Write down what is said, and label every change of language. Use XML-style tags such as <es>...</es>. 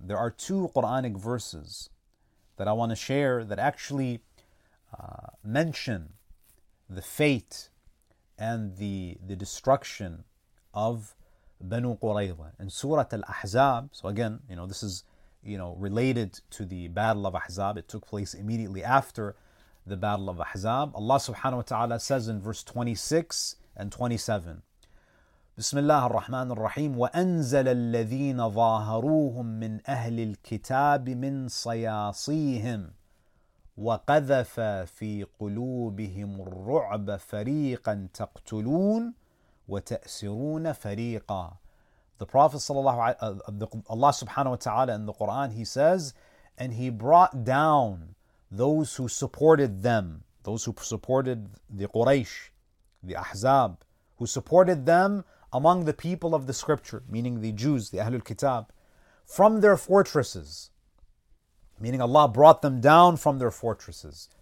<en>There are two Qur'anic verses that I want to share that actually mention the fate and the destruction of Banu Qurayza in Surah Al-Ahzab. So again, you know, this is, you know, related to the Battle of Ahzab. It took place immediately after the Battle of Ahzab. Allah subhanahu wa ta'ala says in verse 26 and 27,</en> <ar>بسم الله الرحمن الرحيم وأنزل الذين ظاهروهم من أهل الكتاب من صياصيهم وقذف في قلوبهم الرعب فريقا تقتلون وتأسرون فريقا.</ar> <en>The Prophet sallallahu Allah subhanahu wa ta'ala in the Quran, he says, and he brought down those who supported them, those who supported the Quraysh, the Ahzab, who supported them among the people of the scripture, meaning the Jews, the Ahlul Kitab, from their fortresses, meaning Allah brought them down from their fortresses.</en>